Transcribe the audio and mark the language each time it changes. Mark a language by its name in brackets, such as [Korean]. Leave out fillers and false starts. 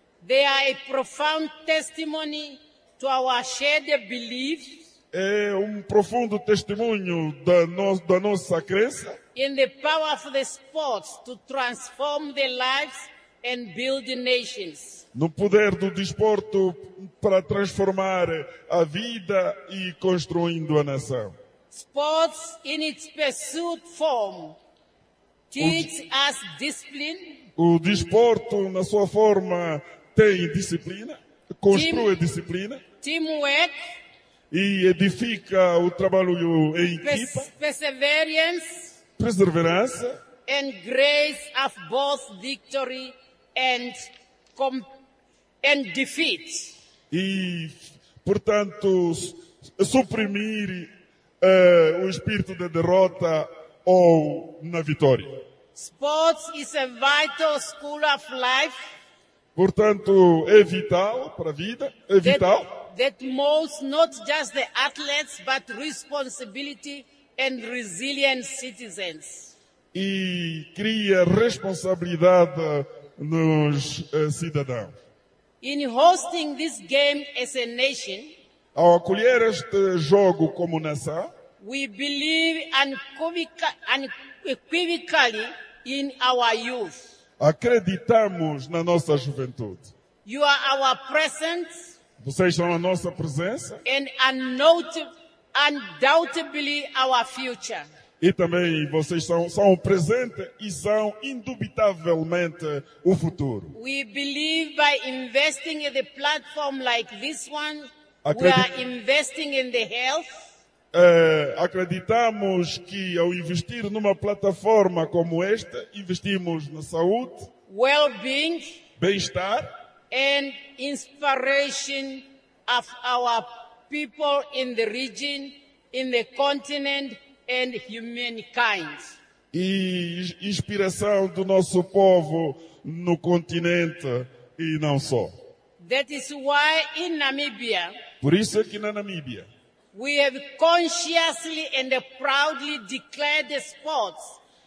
[English] They are a profound testimony to our shared belief. [Portuguese] É um profundo testemunho da nossa crença. [English] In the power of the sports to transform the lives and build nations. [Portuguese] No poder do desporto para transformar a vida e construindo a nação. [English] Sports in its pursuit form teach us discipline. [Portuguese] O desporto na sua forma tem disciplina, construa disciplina. [English] Teamwork. [Portuguese] e edifica o trabalho em equipa. [English] Perseverance. [Portuguese] Perseverança. [English] And grace of both victory and defeat. [Portuguese] E, portanto, suprimir o espírito de derrota ou na vitória. [English] Sports is a vital school of life. [Portuguese] Portanto, é vital para a vida, é vital. [English] That molds not just the athletes, but responsibility and resilient citizens. [Portuguese] E cria responsabilidade nos cidadãos. [English] In hosting this game as a nation, [Portuguese] ao acolher este jogo como nação, [English] we believe unequivocally in our youth. [Portuguese] Acreditamos na nossa juventude. [English] You are our presence. [Portuguese] Vocês são a nossa presença. [English] And undoubtedly our future. [Portuguese] E também vocês são o presente e são indubitavelmente o futuro. [English] We believe by investing in a platform like this one, we are investing in the health. [Portuguese] Acreditamos que ao investir numa plataforma como esta, investimos na saúde, [English] well-being, [Portuguese] bem-estar [English] and inspiration of our people in the region, in the continent and humankind. [Portuguese] E inspiração do nosso povo no continente e não só. [English] That is why in Namibia, [Portuguese] por isso é que na Namíbia, [English] we have consciously and proudly declared the sports.